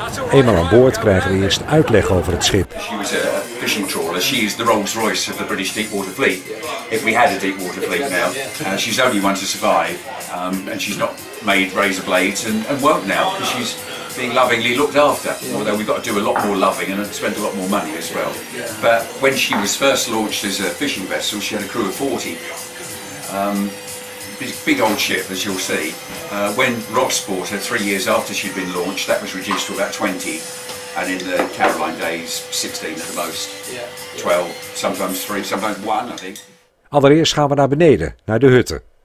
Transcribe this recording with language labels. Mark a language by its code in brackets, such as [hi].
[nl] Eenmaal aan boord krijgen we eerst uitleg over het schip. [en] She was a fishing trawler. She is the Rolls Royce of the British Deepwater Fleet. If we had a Deepwater Fleet now, she's the only one to survive. And she's not made razor blades and won't now because she's being lovingly looked after. Although we've got to do a lot more loving and spend a lot more money as well. But when she was first launched as a fishing vessel, she had a crew of 40. Big old ship, as you'll see. When Ross bought her 3 years after she'd been launched, that was reduced to about 20. And in the Caroline days, 16 at the most. 12, sometimes 3, sometimes 1, I think. [nl] Allereerst gaan we naar beneden, naar de hutten.